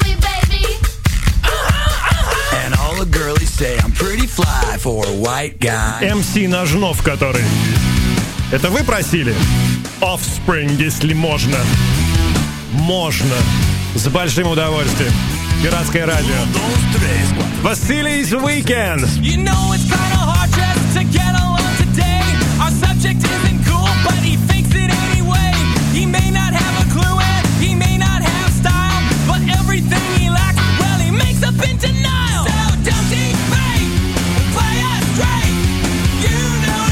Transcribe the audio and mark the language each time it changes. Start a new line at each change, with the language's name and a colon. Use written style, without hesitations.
English: And all the girlies say I'm pretty fly for a white guy.
Russian: MC Ножнов, который. Это вы просили? Offspring, если можно. Можно. С большим удовольствием. Пиратское радио. Василий из Weekend.
English: You know it's kinda hard just to get along today. Our subject isn't cool, but he fakes it anyway. He may not have a clue and he may not have style, but everything he lacks, well, he makes up in denial. So don't debate, play a straight.